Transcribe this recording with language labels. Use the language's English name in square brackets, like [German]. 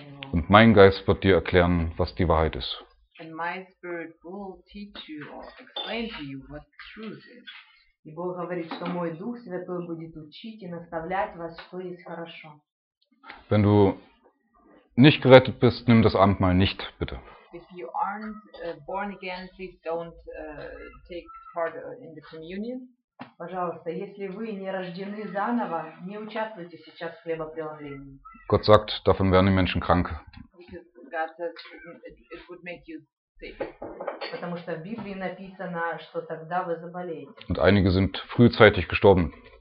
[German] Und mein Geist wird dir erklären, was die Wahrheit ist. [English] And my spirit will teach you or explain to you what truth is. [Russian] И Бог говорит, что мой Дух Святой будет учить и наставлять вас, что есть хорошо. [German] Wenn du nicht gerettet bist, nimm das Abendmahl nicht, bitte. [English] If you aren't born again, please don't take part in the communion. [Russian] Пожалуйста, если вы не рождены заново, не участвуйте сейчас в хлебопреломлении. [German] Gott sagt, davon werden die Menschen krank. [English] Because God says it would make you [Russian] Потому что в Библии написано, что тогда вы заболеете. [German] Und einige sind frühzeitig gestorben.